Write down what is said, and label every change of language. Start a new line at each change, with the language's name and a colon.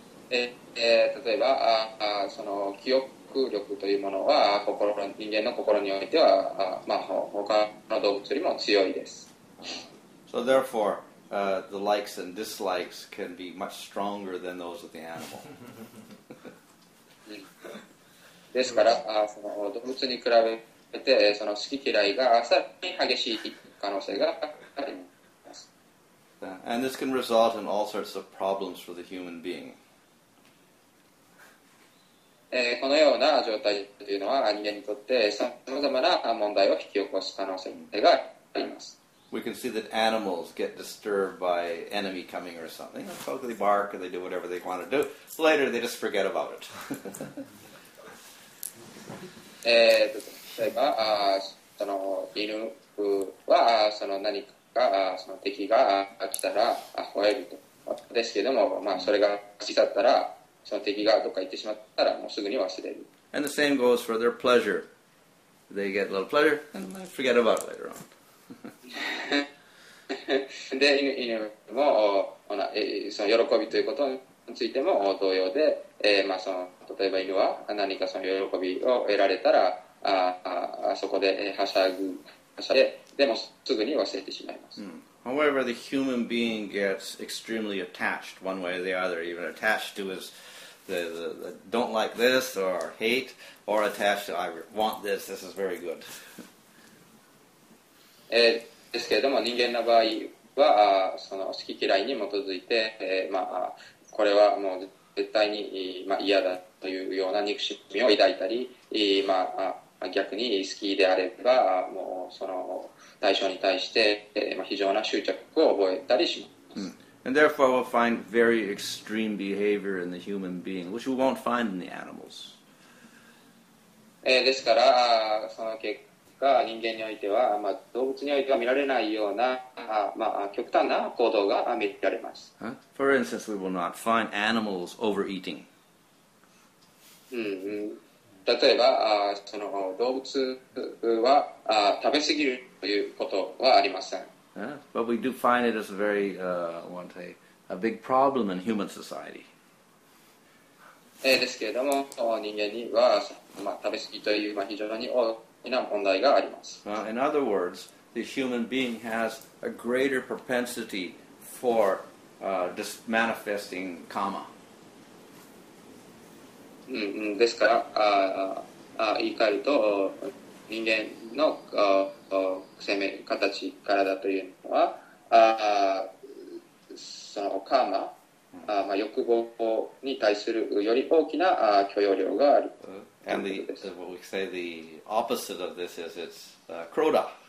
Japanese: 例えば、その記憶力というものは心、人間の心においては、まあ、他の動物よりも強いです。
English: So therefore, the likes and dislikes can be much stronger than those of the animal.
Japanese: ですから、その動物に比べて、その好き嫌いがさらに激しい可能性があります。
English: And this can result in all sorts of problems for the human being.
Japanese: このような状態というのは、人間にとってさまざまな問題を引き起こす可能性があります。
English: We can see that animals get disturbed by enemy coming or something. So they bark and they do whatever they want to do. Later, they just forget about it.
Japanese: 例えば、その犬はその何かその敵が来たら吠えると。ですけども、まあ、それが来たったら、その敵がどっか行ってしまったら、もうすぐに忘れる。
English: And the same goes for their pleasure. They get a little pleasure and forget about it later on.
Japanese: で、犬もその喜びということについても同様で、まあ、その例えば犬は何かその喜びを得られたら、そこではしゃぐ、はしゃいで、でもすぐに忘れてしまいます。 Mm.
English: However, the human being gets extremely attached one way or the other, even attached to his the don't like this or hate, or attached to I want this, this is very good.
Japanese: ですけれども人間の場合はその好き嫌いに基づいて、まあ、これはもう絶対に、まあ、嫌だというような憎しみを抱いたり、まあ、逆に好きであればもうその対象に対して、まあ、非常な執着を覚えたりします、mm.
English: And therefore we'll find very extreme behavior in the human being which we won't find in the animals、
Japanese: ですからその結果人間においては、まあ、動物においては見られないような、まあ、極端な行動が見られます。 Huh?
English: For instance, we will not find animals overeating.
Japanese: うん、例えば、その動物は食べ過ぎるということはありません。
English: Huh? But we do find it as a very, one day, a big problem in human society.
Japanese: ですけれども、人間には、まあ、食べ過ぎという、まあ、非常に多い問題があります。
English: In other words, the human being has a greater propensity for manifesting karma.
Japanese: ですから、言い換えると、人間の生命形からだというのは、そのカーマ、まあ、欲望に対するより大きな許容量がある。
English: And the, what we say the opposite of this is it's Kroda.